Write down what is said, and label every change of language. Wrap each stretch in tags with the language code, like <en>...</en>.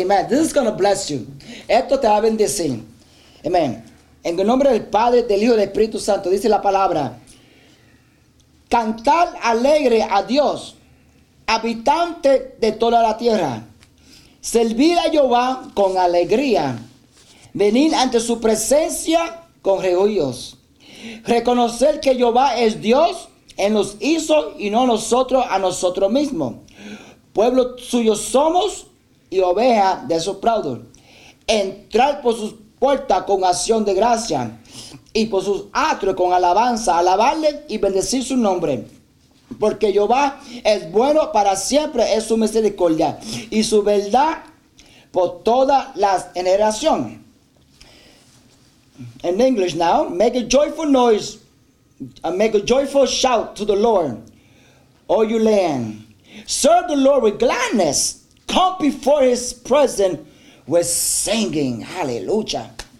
<en>Amen. This is going to bless you.</en> <es>Esto te va a bendecir.</es> <en>Amen.</en> <es>En el nombre del Padre, del Hijo y del Espíritu Santo, dice la palabra. Cantar alegre a Dios, habitante de toda la tierra. Servir a Jehová con alegría. Venir ante su presencia con regocijos. Reconocer que Jehová es Dios, Él nos hizo y no nosotros a nosotros mismos. Pueblo suyo somos y oveja de su prado. Entrar por sus puertas con acción de gracia y por sus atrios con alabanza, alabarle y bendecir su nombre. Porque Jehová es bueno para siempre, es su misericordia y su verdad por todas las generaciones.</es> <en>In English now, make a joyful shout to the Lord, all you land. Serve the Lord with gladness. Come before His presence with singing. Hallelujah.</en>